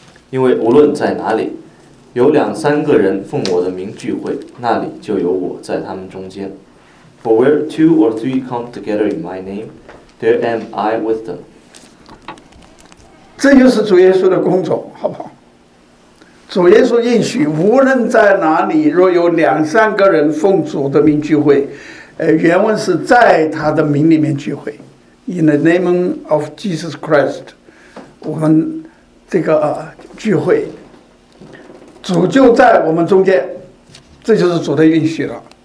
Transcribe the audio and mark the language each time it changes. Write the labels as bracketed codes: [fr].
[zh] 因为无论在哪里，有两三个人奉我的名聚会，那里就有我在他们中间。 [en] For where two or three come together in my name, there am I with them。 [zh] 这就是主耶稣的工作，好不好？主耶稣应许，无论在哪里，若有两三个人奉主的名聚会，原文是在他的名里面聚会 ， [en] in the name of Jesus Christ， [zh] 我们这个聚会，主就在我们中间，这就是主的应许了。